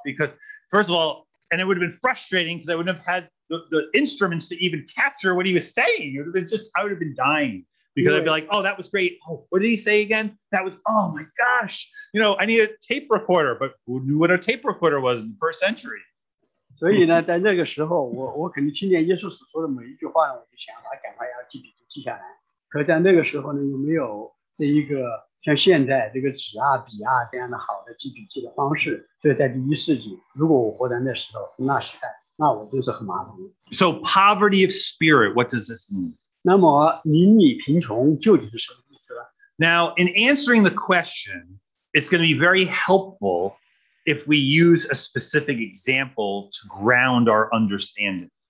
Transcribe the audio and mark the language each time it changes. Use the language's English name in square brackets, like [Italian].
[English] Because first of all, and it would have been frustrating because I wouldn't have had the instruments to even capture what he was saying. It would have been just, I would have been dying. Because I'd be like, oh, that was great. Oh, what did he say again? That was, oh my gosh. You know, I need a tape recorder. But who knew what a tape recorder was in the first century? [Chinese] 所以呢，在那个时候，我肯定听见耶稣所说的每一句话，我就想把赶快要记笔记记下来。可在那个时候呢，又没有这一个像现在这个纸啊、笔啊这样的好的记笔记的方式。所以在第一世纪，如果我活在那时候，那时代，那我就是很麻烦。So [English] poverty of spirit, what does this mean? [Chinese] 那么，邻里贫穷究竟是什么意思呢？Now, [English] in answering the question, it's going to be very helpful if we use a specific example to ground our understanding.